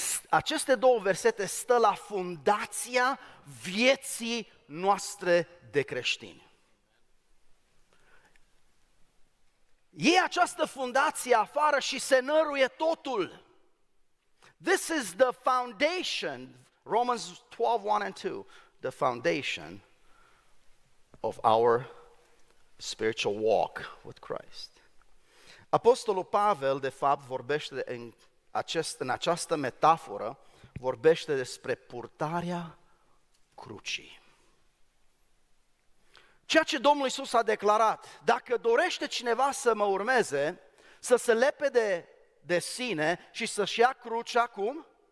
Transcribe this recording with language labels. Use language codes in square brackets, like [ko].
[ro] Aceste două versete stă la fundația vieții noastre de creștini. E această fundație afară și se năruie totul. [en] This is the foundation, Romans 12:1-2. The foundation of our spiritual walk with Christ. [ro] Apostolul Pavel, de fapt, vorbește în această metaforă, vorbește despre purtarea crucii. Ceea ce Domnul Iisus a declarat, dacă dorește cineva să mă urmeze, să se lepede de sine și să-și ia crucea, cum?